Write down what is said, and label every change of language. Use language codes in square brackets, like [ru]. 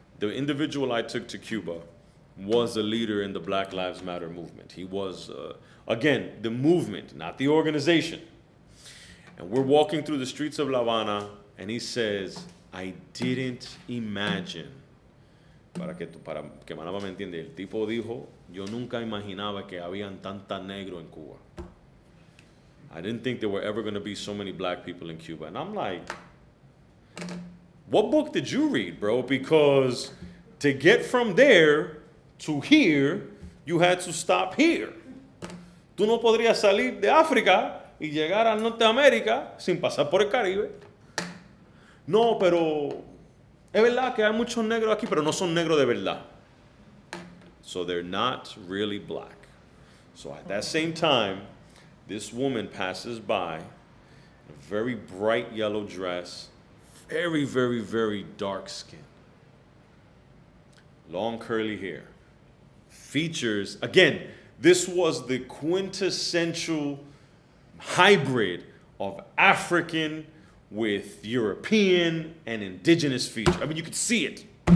[en] The individual I took to Cuba was a leader in the Black Lives Matter movement. He was, again, the movement, not the organization. And we're walking through the streets of La Habana, and he says, I didn't imagine. [es] Para que Manaba me entiende, el tipo dijo, yo nunca imaginaba que habían tanta negro en Cuba. [en] I didn't think there were ever going to be so many black people in Cuba. And I'm like, what book did you read, bro? Because to get from there to here, you had to stop here. [es] Tú no podrías salir de África y llegar a Norteamérica sin pasar por el Caribe. No, pero es verdad que hay muchos negros aquí, pero no son negros de verdad. [en] So they're not really black. So at that same time, this woman passes by in a very bright yellow dress, very, very, very dark skin. Long curly hair. Features, again, this was the quintessential hybrid of African with European and indigenous feature. I mean, you could see it.